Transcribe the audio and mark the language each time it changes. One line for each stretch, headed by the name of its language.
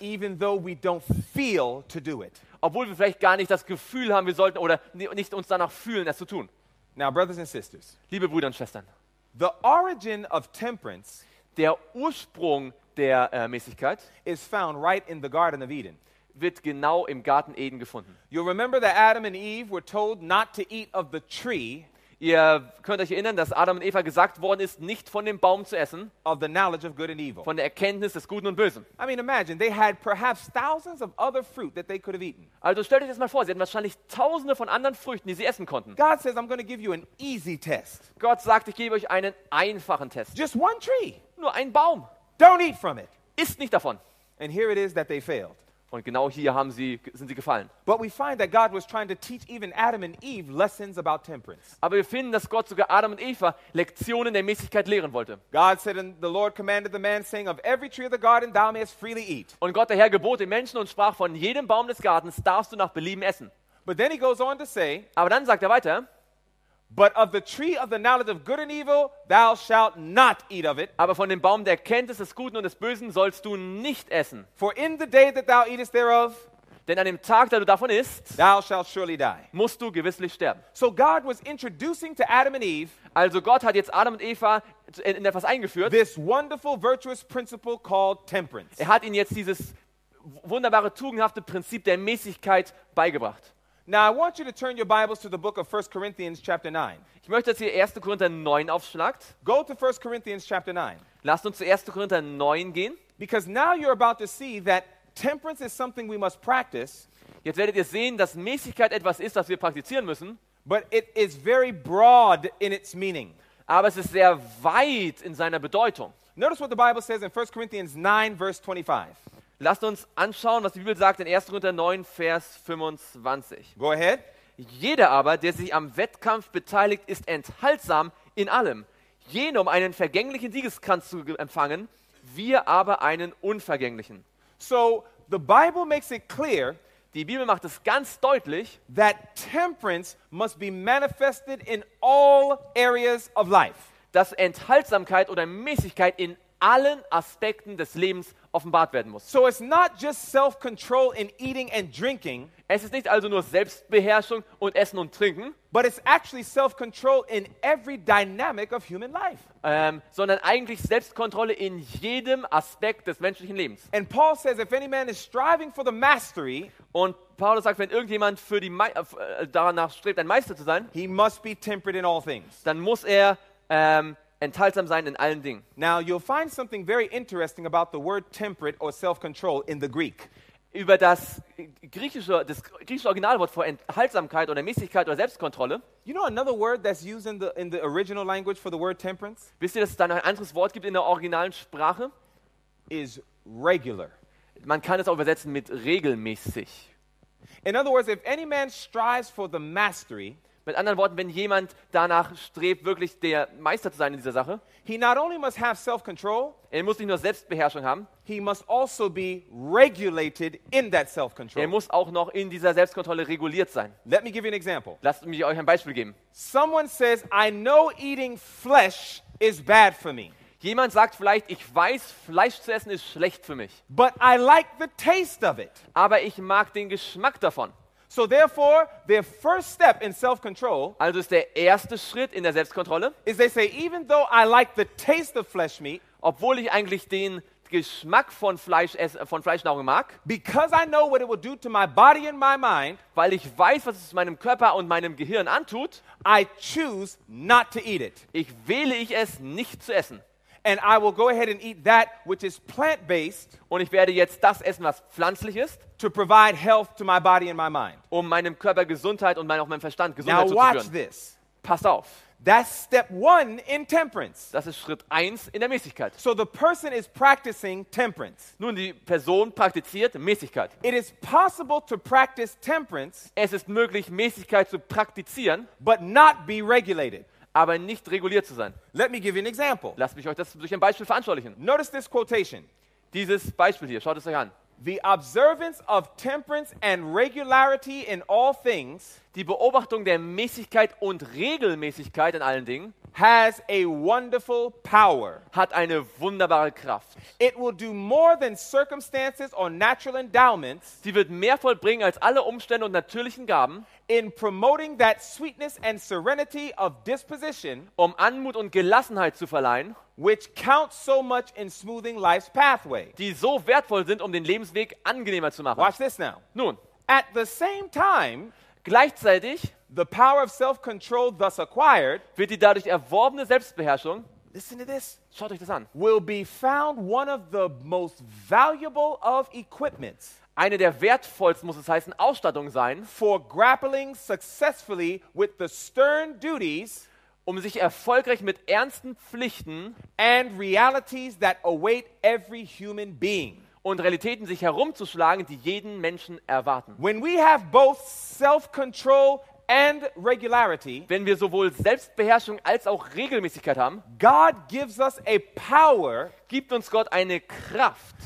English: even though we don't feel to do it.
German: Obwohl wir vielleicht gar nicht das Gefühl haben, wir sollten oder nicht uns danach fühlen, es zu tun.
English: Now, brothers and sisters,
German: liebe Brüder und Schwestern,
English: the origin of temperance,
German: der Ursprung der Mäßigkeit,
English: is found right in the Garden of Eden.
German: Wird genau im Garten Eden gefunden.
English: You remember that Adam and Eve were told not to eat of the tree.
German: Ihr könnt euch erinnern, dass Adam und Eva gesagt worden ist, nicht von dem Baum zu essen.
English: Of the knowledge of good and evil.
German: Von der Erkenntnis des Guten und Bösen.
English: I mean, imagine they had perhaps thousands of other fruit that they could have eaten.
German: Also stellt euch das mal vor, sie hatten wahrscheinlich Tausende von anderen Früchten, die sie essen konnten.
English: God says, I'm going to give you an easy test.
German: Gott sagt, ich gebe euch einen einfachen Test.
English: Just one tree.
German: Nur ein Baum.
English: Don't eat from it.
German: Isst nicht davon.
English: And here it is that they failed.
German: Und genau hier haben sie, sind sie gefallen.
English: But we find that God was trying to teach even Adam and Eve lessons about temperance.
German: Aber wir finden, dass Gott sogar Adam und Eva Lektionen der Mäßigkeit lehren wollte.
English: God said, and the Lord commanded the man, saying, of every tree of the garden thou mayest freely eat.
German: Und Gott der Herr gebot den Menschen und sprach, von jedem Baum des Gartens darfst du nach Belieben essen.
English: But then he goes on to say,
German: aber dann sagt er weiter,
English: but of the tree of the knowledge of good and evil thou shalt not eat of it.
German: Aber von dem Baum der Erkenntnis des Guten und des Bösen sollst du nicht essen.
English: For in the day that thou eatest thereof,
German: Denn an dem Tag, da du davon isst,
English: thou shalt surely die.
German: Musst du gewisslich sterben.
English: So God was introducing to Adam and Eve,
German: also Gott hat jetzt Adam und Eva in etwas eingeführt.
English: This wonderful virtuous principle called temperance.
German: Er hat ihnen jetzt dieses wunderbare tugendhafte Prinzip der Mäßigkeit beigebracht.
English: Now I want you to turn your Bibles to the book of 1 Corinthians chapter 9.
German: Ich möchte, dass ihr 1. Korinther 9 aufschlagt.
English: Go to 1 Corinthians chapter 9.
German: Lasst uns zu 1. Korinther 9 gehen.
English: Because now you're about to see that temperance is something we must practice.
German: Jetzt werdet ihr sehen, dass Mäßigkeit etwas ist, das wir praktizieren müssen.
English: But it is very broad in its meaning.
German: Aber es ist sehr weit in seiner Bedeutung.
English: Notice what the Bible says in 1 Corinthians 9 verse 25.
German: Lasst uns anschauen, was die Bibel sagt in 1. Korinther 9, Vers 25.
English: Go ahead.
German: Jeder aber, der sich am Wettkampf beteiligt, ist enthaltsam in allem. Jenem einen vergänglichen Siegeskranz zu empfangen, wir aber einen unvergänglichen.
English: So, the Bible makes it clear,
German: die Bibel macht es ganz deutlich,
English: that temperance must be manifested in all areas of life.
German: Dass Enthaltsamkeit oder Mäßigkeit in allen Aspekten des Lebens offenbart werden muss.
English: So it's not just self-control in eating and drinking.
German: Es ist nicht also nur Selbstbeherrschung und Essen und Trinken,
English: but it's actually self-control in every dynamic of human life.
German: Sondern eigentlich Selbstkontrolle in jedem Aspekt des menschlichen Lebens.
English: And Paul says, if any man is striving for the mastery,
German: und Paulus sagt, wenn irgendjemand für die danach strebt, ein Meister zu sein,
English: he must be temperate in all things.
German: Dann muss er enthaltsam sein in allen Dingen.
English: Now you'll find something very interesting about the word temperate or self-control in the Greek.
German: Über das griechische Originalwort für Enthaltsamkeit oder Mäßigkeit oder Selbstkontrolle.
English: You know another word that's used in the original language for the word temperance?
German: Wisst ihr, dass es da noch ein anderes Wort gibt in der originalen Sprache?
English: Is regular.
German: Man kann es auch übersetzen mit regelmäßig.
English: In other words, if any man strives for the mastery,
German: mit anderen Worten, wenn jemand danach strebt, wirklich der Meister zu sein in dieser Sache,
English: he not only must have self-control,
German: er muss nicht nur Selbstbeherrschung haben,
English: he must also be regulated in that self-control.
German: Er muss auch noch in dieser Selbstkontrolle reguliert sein.
English: Let me give you an example.
German: Lasst mich euch ein Beispiel geben.
English: Someone says, I know eating flesh is bad for me.
German: Jemand sagt vielleicht, ich weiß, Fleisch zu essen ist schlecht für mich.
English: But I like the taste of it.
German: Aber ich mag den Geschmack davon.
English: So therefore, their first step in self-control,
German: also ist der erste Schritt in der Selbstkontrolle,
English: is they say, even though I like the taste of flesh meat,
German: obwohl ich eigentlich den Geschmack von Fleischnahrung mag,
English: because I know what it will do to my body and my mind,
German: weil ich weiß, was es meinem Körper und meinem Gehirn antut,
English: I choose not to eat it.
German: Ich wähle ich es nicht zu essen.
English: And I will go ahead and eat that which is plant-based.
German: Und ich werde jetzt das essen, was pflanzlich ist.
English: To provide health to my body and my mind.
German: Um meinem Körper Gesundheit und auch meinem Verstand Gesundheit
English: now,
German: zu führen.
English: Now watch this.
German: Pass auf.
English: That's step one in temperance.
German: Das ist Schritt 1 in der Mäßigkeit.
English: So the person is practicing temperance.
German: Nun, die Person praktiziert Mäßigkeit.
English: It is possible to practice temperance.
German: Es ist möglich, Mäßigkeit zu praktizieren.
English: But not be regulated.
German: Aber nicht reguliert zu sein.
English: Let me give you an example.
German: Lasst mich euch das durch ein Beispiel veranschaulichen.
English: Notice this quotation.
German: Dieses Beispiel hier, schaut es euch an.
English: The observance of temperance and regularity in all things,
German: die Beobachtung der Mäßigkeit und Regelmäßigkeit in allen Dingen,
English: has a wonderful power.
German: Hat eine wunderbare Kraft.
English: It will do more than circumstances or natural endowments.
German: Sie wird mehr vollbringen als alle Umstände und natürlichen Gaben.
English: In promoting that sweetness and serenity of disposition,
German: um Anmut und Gelassenheit zu verleihen,
English: which counts so much in smoothing life's pathway,
German: die so wertvoll sind, um den Lebensweg angenehmer zu machen.
English: Watch this now.
German: Nun,
English: at the same time,
German: gleichzeitig,
English: the power of self-control thus acquired,
German: wird die dadurch erworbene Selbstbeherrschung,
English: listen to this,
German: schaut euch das an,
English: will be found one of the most valuable of equipments,
German: eine der wertvollsten, muss es heißen, Ausstattung sein,
English: for grappling successfully with the stern duties,
German: um sich erfolgreich mit ernsten Pflichten
English: and realities that await every human being,
German: und Realitäten sich herumzuschlagen, die jeden Menschen erwarten.
English: When we have both self-control and regularity,
German: wenn wir sowohl Selbstbeherrschung als auch Regelmäßigkeit haben,
English: God gives us a power,
German: gibt uns Gott eine Kraft,